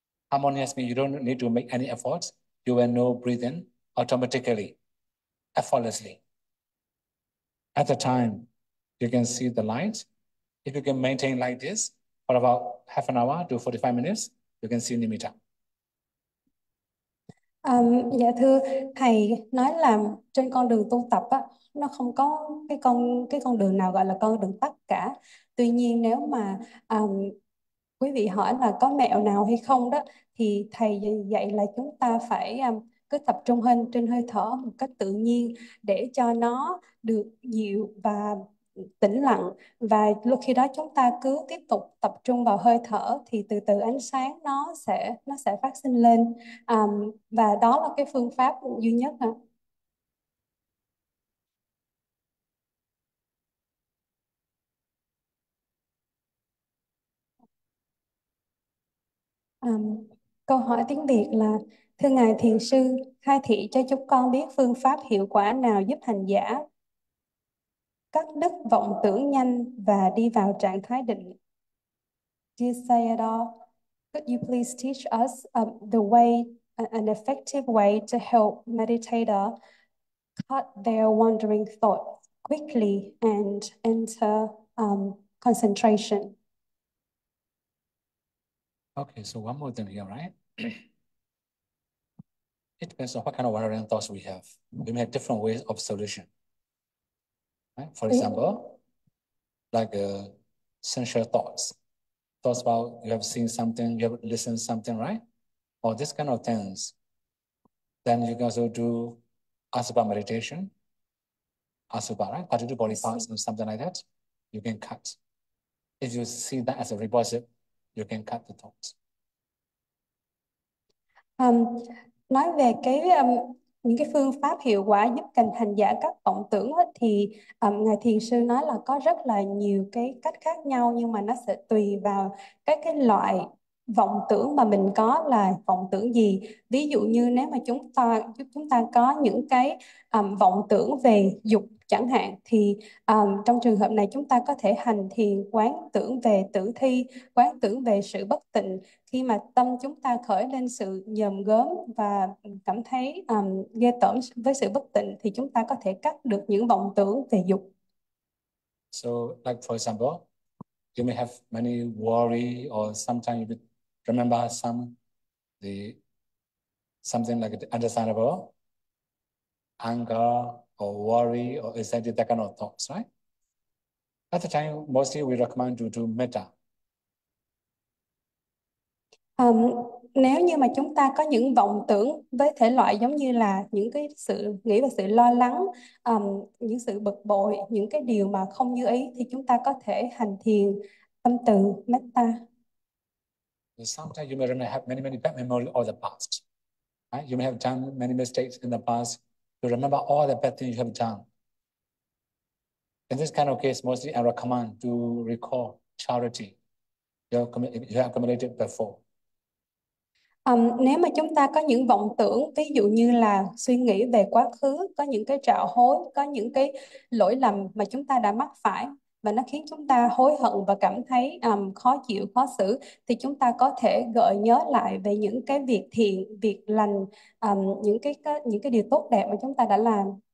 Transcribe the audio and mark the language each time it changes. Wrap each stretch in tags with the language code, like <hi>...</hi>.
<en>Harmonious means you don't need to make any effort. You will know breathing automatically, effortlessly. At the time, you can see the light. If you can maintain like this, for about half an hour to 45 minutes, you can see nimitta.</en> <vi>Dạ thưa thầy, nói là trên con đường tu tập á, nó không có cái con đường nào gọi là con đường tắt cả. Tuy nhiên nếu mà quý vị hỏi là có mẹo nào hay không đó, thì thầy dạy là chúng ta phải cứ tập trung hơn trên hơi thở một cách tự nhiên để cho nó được dịu và tĩnh lặng, và lúc khi đó chúng ta cứ tiếp tục tập trung vào hơi thở thì từ từ ánh sáng nó sẽ phát sinh lên, và đó là cái phương pháp duy nhất hả? Câu hỏi tiếng Việt là: thưa ngài thiền sư, khai thị cho chúng con biết phương pháp hiệu quả nào giúp hành giả cắt đứt vọng tưởng nhanh và đi vào trạng thái định.</vi> <en>Dear Sayadaw, could you please teach us the way, an effective way to help meditator cut their wandering thoughts quickly and enter concentration? Okay, so one more thing here, right? It depends on what kind of wandering thoughts we have. We may have different ways of solution. Right? For example, like sensual thoughts. Thoughts about you have seen something, you have listened to something, right? Or this kind of things. Then you can also do ask about meditation, ask about, right? Particular body parts and something like that. You can cut. If you see that as a repulsive, you can cut the thoughts.</en> <vi>Nói về cái những cái phương pháp hiệu quả giúp cành hành giả các vọng tưởng ấy, thì ngài thiền sư nói là có rất là nhiều cái cách khác nhau, nhưng mà nó sẽ tùy vào các cái loại vọng tưởng mà mình có là vọng tưởng gì. Ví dụ như nếu mà chúng ta có những cái vọng tưởng về dục chẳng hạn, thì trong trường hợp này chúng ta có thể hành thiền quán tưởng về tử thi, quán tưởng về sự bất tịnh. Khi mà tâm chúng ta khởi lên sự nhòm gớm và cảm thấy ghê tởm với sự bất tịnh, thì chúng ta có thể cắt được những vọng tưởng về dục.</vi> <en>So, like for example, you may have many worry, or sometimes you remember some the something like the understandable anger or worry or exactly that kind of thoughts, right? At the time, mostly we recommend you to metta.</en> <vi>Nếu như mà chúng ta có những vọng tưởng với thể loại giống như là những cái sự nghĩ và sự lo lắng, những sự bực bội, những cái điều mà không như ý, thì chúng ta có thể hành thiền tâm từ metta.</vi> <en>Sometimes you may really have many bad memories of the past. Right? You may have done many mistakes in the past. You remember all the bad things you have done. In this kind of case, mostly I recommend to recall charity you have accumulated before.</en> <vi>Nếu mà chúng ta có những vọng tưởng, ví dụ như là suy nghĩ về quá khứ, có những cái trạo hối, có những cái lỗi lầm mà chúng ta đã mắc phải và nó khiến chúng ta hối hận và cảm thấy khó chịu, khó xử, thì chúng ta có thể gợi nhớ lại về những cái việc thiện, việc lành, những cái điều tốt đẹp mà chúng ta đã làm.</vi>